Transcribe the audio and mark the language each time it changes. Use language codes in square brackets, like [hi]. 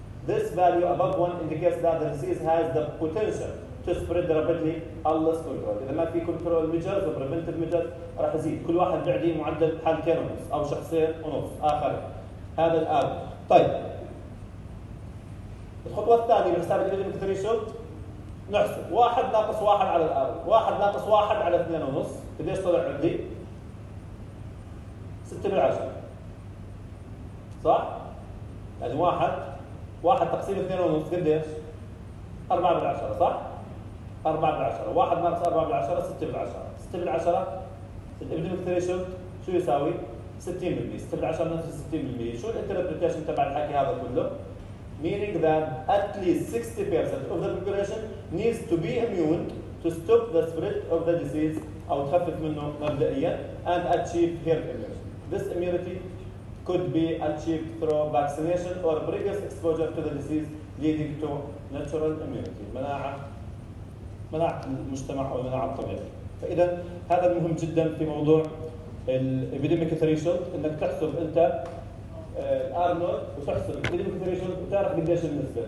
[en] This value above one indicates that the disease has the potential to spread rapidly unless controlled. [ar] إذا ما في [en] control measures or preventive measures [ar] راح يزيد. كل واحد بعدي معدل حالتين ونص أو شخصين ونص آخر. هذا الآن. طيب. الخطوة الثانية بحساب الإبيدميك ثريشولد نحسب واحد ناقص واحد على الآن. واحد ناقص واحد على اثنين ونص. قديش طلع عندي؟ 6/10. صح؟ يعني واحد. واحد تقسيم اثنين ونص قديش؟ 4/10 صح؟ 4/10 واحد ناقص 4/10 6/10 6/10 الابديمك ثريشولد شو يساوي؟ 60% 6/10 نفس 60% شو الانتربريتيشن تبع الحكي هذا كله؟ [en] meaning that at least 60% of the population needs to be immune to stop the spread of the disease [ar] او تخفف منه مبدئيا [en] and achieve herd immunity. This immunity could be achieved through vaccination or previous exposure to the disease leading to natural immunity. [ar] مناعة المجتمع أو مناعة الطبيعة. فإذا هذا مهم جدا في موضوع الإبيديميك ثريشولد إنك تحسب أنت الآر نوت وتحسب الإبيديميك ثريشولد وتعرف قديش النسبة.